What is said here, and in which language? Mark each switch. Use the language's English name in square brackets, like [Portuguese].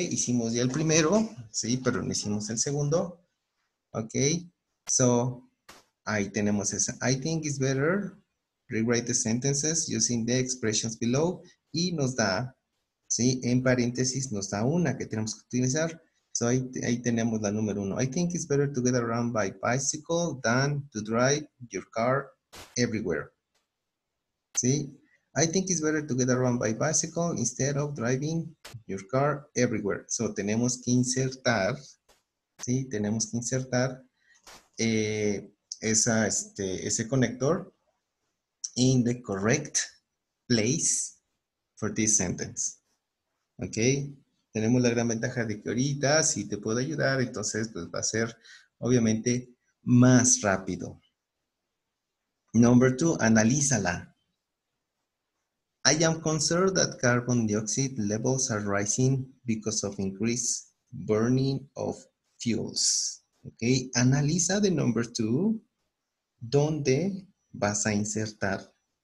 [Spanish] Hicimos ya el primero, sí, pero no hicimos el segundo. Ok. So, ahí tenemos esa. [English] I think it's better. Rewrite the sentences using the expressions below. [Spanish] Y nos da, sí, en paréntesis, nos da una que tenemos que utilizar. So, ahí tenemos la número uno. [English] I think it's better to get around by bicycle than to drive your car everywhere. ¿Sí? I think it's better to get around by bicycle instead of driving your car everywhere. [Spanish] So, tenemos que insertar, ¿sí? Tenemos que insertar ese conector [English] in the correct place for this sentence. [Spanish] ¿Ok? Tenemos la gran ventaja de que ahorita, si te puedo ayudar, entonces pues va a ser obviamente más rápido. [English] Number two, [Spanish] analízala. [English] I am concerned that carbon dioxide levels are rising because of increased burning of fuels. [Spanish] Ok, analiza de [English] number two, [Spanish] ¿dónde vas a insertar?